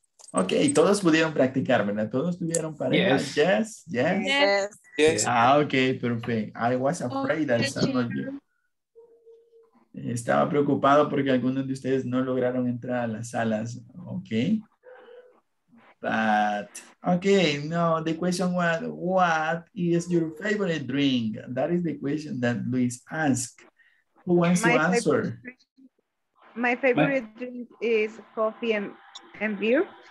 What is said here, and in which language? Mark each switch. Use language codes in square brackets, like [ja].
[es] Ok, todos pudieron practicar, ¿verdad? Todos tuvieron pareja. [en] Yes. Yes. Yes. Yes. Ok, perfect. I was afraid that some of you. [es] Estaba preocupado porque algunos de ustedes no lograron entrar a las salas, okay? [en] But okay, no, the question was, what is your favorite drink? That is the question that Luis asked. Who wants to answer? My favorite drink is coffee and beer.